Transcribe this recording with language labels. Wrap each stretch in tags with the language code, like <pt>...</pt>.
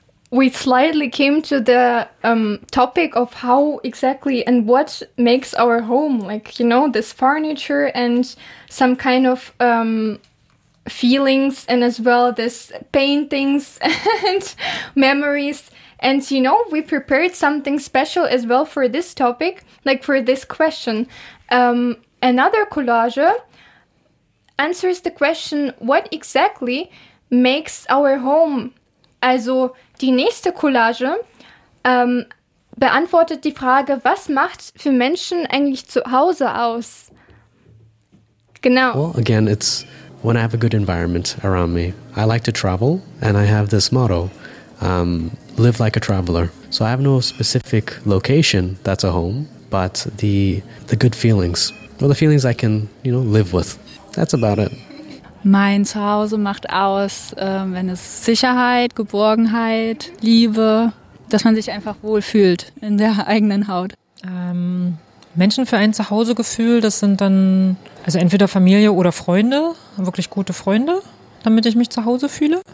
<en>We slightly came to the topic of how exactly and what makes our home, like, you know, this furniture and some kind of feelings and as well this paintings and memories. And, you know, we prepared something special as well for this topic, like for this question. Another collage answers the question, what exactly makes our home?</en> <de>Also, die nächste Collage beantwortet die Frage, was macht für Menschen eigentlich zu Hause aus? Genau.</de> <en>Well, again, it's when I have a good environment around me. I like to travel, and I have this motto, live like a traveler. So I have no specific location that's a home, but the good feelings, or the feelings I can, you know, live with. That's about it.</en> <de>Mein Zuhause macht aus, wenn es Sicherheit, Geborgenheit, Liebe, dass man sich einfach wohl fühlt in der eigenen Haut. Menschen für ein Zuhausegefühl, das sind dann also entweder Familie oder Freunde, wirklich gute Freunde, damit ich mich zu Hause fühle.</de>